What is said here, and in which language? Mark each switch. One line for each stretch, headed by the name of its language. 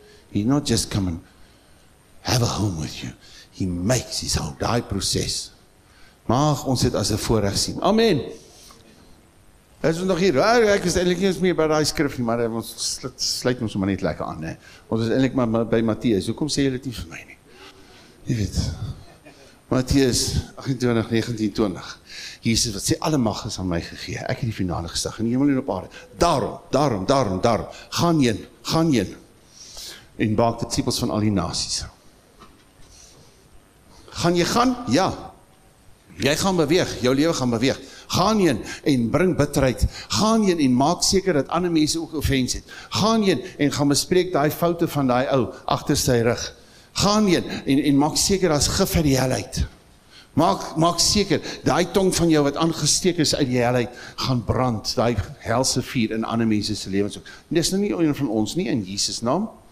English: He's not just coming have a home with you. He makes His home.
Afrikaans: Die proces. Mag ons dit as 'n voorreg sien. Amen. Is ons nog hier? Ek is eintlik nie eens meer by die skrif nie, maar ons sluit ons maar net lekker aan. Nee. Ons is eintlik maar by Matteus. Hoekom sê julle dit nie vir my nie? Jy weet. Matteus 28, 19, 20. Jesus wat sê, alle mag is aan my gegee. Ek het die finale gesag in die hemel en op aarde. Daarom. Gaan heen. En maak disippels van al die nasies. Gaan jy gaan? Ja. Jy gaan beweeg, jou lewe gaan beweeg. Gaan heen en bring bitterheid. Gaan heen en maak seker dat ander mense ook offense het. Gaan heen en gaan bespreek daai foute van daai ou agter sy rug. Gaan heen en maak seker daar's gif uit die hel uit. Maak seker daai tong van jou wat aangesteek is uit die hel uit gaan brand, daai helse vuur in ander mense se lewens ook. Dis nou nie een van ons nie in Jesus naam.